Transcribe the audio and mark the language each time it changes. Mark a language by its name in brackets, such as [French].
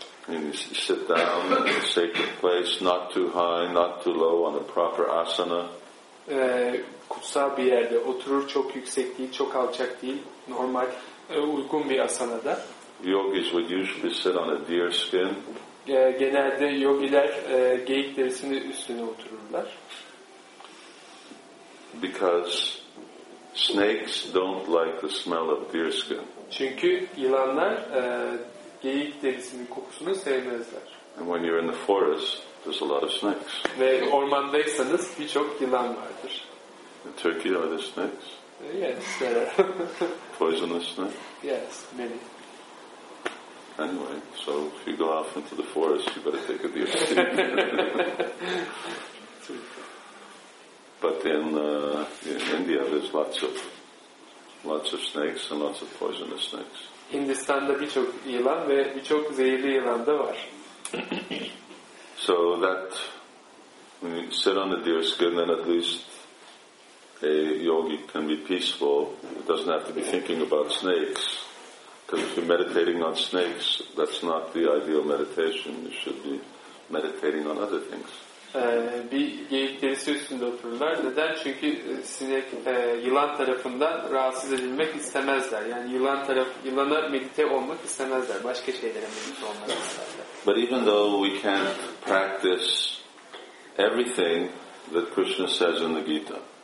[English] And you sit down in a sacred place, not too high, not too low, on a proper asana. [Turkish] Kutsal bir yerde oturur, çok yüksek değil, çok alçak değil, normal uygun bir asanada. [English] Yogis would usually sit on a deer skin. [Turkish] Genelde yogiler geyik derisinin üstüne otururlar. [English] Because snakes don't like the smell of deer skin. [Turkish] Çünkü yılanlar geyik derisinin kokusunu sevmezler. [English] And when you're in the forest, there's a lot of snakes. [Turkish] Ve ormandaysanız birçok yılan vardır. [English] In Turkey, are there snakes? Yes, there are. Poisonous, no? Yes, many. Anyway, so if you go off into the forest, you better take a deer skin. But in India, there's lots of snakes and lots of poisonous snakes. [Turkish] Hindistan'da birçok yılan ve birçok zehirli yılan da var. [English] So that when you sit on a deer skin, then at least a yogi can be peaceful. It doesn't have to be thinking about snakes. Because if you're meditating on snakes, that's not the ideal meditation. You should be meditating on other things. [Turkish] Bir geyik derisi üstünde otururlar. Neden? Çünkü sinek yılan tarafından rahatsız edilmek istemezler. Yani yılana medite olmak istemezler. Başka şeylere medite olmak isterler. [English] But even though we can't practice everything that Krishna says in the Gita.